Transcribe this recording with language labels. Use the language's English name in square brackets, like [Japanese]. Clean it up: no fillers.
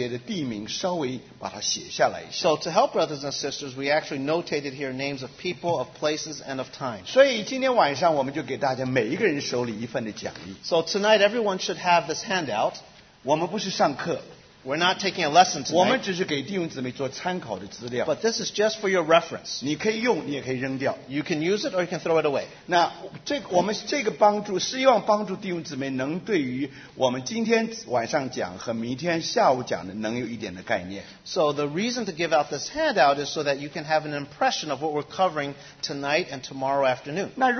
[Chinese] 所以我们只好帮助弟兄姊妹，我们把一些名字，把一些人、时间，我们把一些的地名稍微把它写下来一下。 [English] So to help brothers and sisters, we actually notated here names of people, of places, and of time. [Chinese] 所以今天晚上我们就给大家每一个人手里一份的奖励。 [English] So tonight everyone should have this handout. [Chinese] 我们不是上课。 [English] We're not taking a lesson tonight. [Chinese] 我们只是给弟兄姊妹做参考的资料。 [English] But this is just for your reference. [Chinese] 你可以用, 你也可以扔掉。 [English] You can use it or you can throw it away. [Chinese] 那这个我们这个帮助是希望帮助弟兄姊妹能对于我们今天晚上讲和明天下午讲的能有一点的概念。 [English] So the reason to give out this handout is so that you can have an impression of what we're covering tonight and tomorrow afternoon.